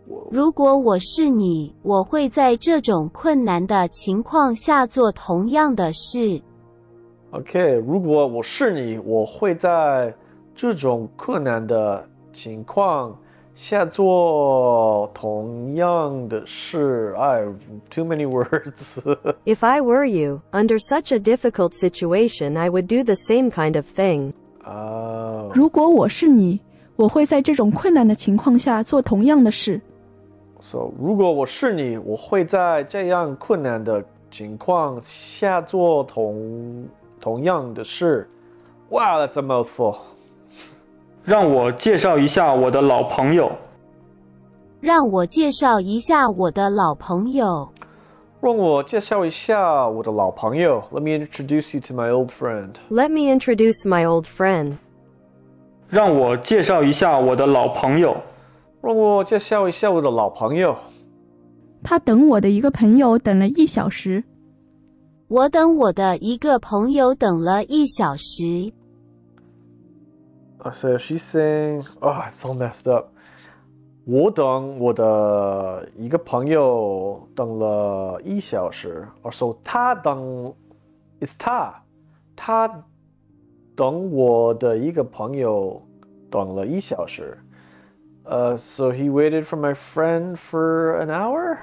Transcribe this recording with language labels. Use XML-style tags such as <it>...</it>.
<zh>如果我是你,我会在这种困难的情况下做同样的事。 Okay, 如果我是你,我会在这种困难的情况下做同样的事。</zh> <en>I have too many words. If I were you, under such a difficult situation, I would do the same kind of thing.</en> <zh>如果我是你，我会在这种困难的情况下做同样的事。 So, 如果我是你，我会在这样困难的情况下做同样的事。</zh> <en>Wow, that's a mouthful.</en> <zh>让我介绍一下我的老朋友。让我介绍一下我的老朋友。让我介绍一下我的老朋友。</zh> <en>Let me introduce you to my old friend. Let me introduce my old friend.</en> <zh>让我介绍一下我的老朋友。让我介绍一下我的老朋友。他等我的一个朋友等了一小时。我等我的一个朋友等了一小时。</zh> <en>So she's saying, oh, it's all messed up.</en> <zh>我等我的一个朋友等了一小时。</zh> <en>Or so</en> <zh>他等,</zh> <en>it's 他.</en> <zh>他等我的一个朋友等了一小时。</zh> <en>So he waited for my friend for an hour?</en>